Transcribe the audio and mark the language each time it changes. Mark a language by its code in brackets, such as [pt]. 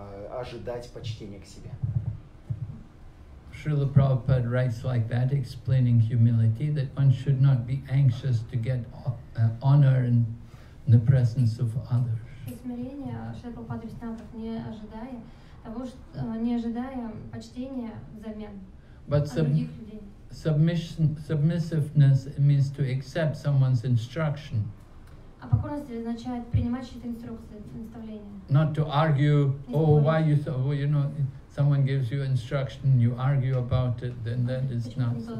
[ru] ожидать почтения к себе. [en] Srila Prabhupada writes like that, explaining humility, that one should not be anxious to get honor in the presence of others. [ru] Смирение, Шрила Прабхупада объяснял, как не ожидая того, не ожидая почтения взамен от других людей. [en] Submissiveness means to accept someone's instruction. [ru] А покорность означает принимать чьи-то инструкции, наставления. [en] Not to argue, why you so, you know, someone gives you instruction, you argue about it, then that is not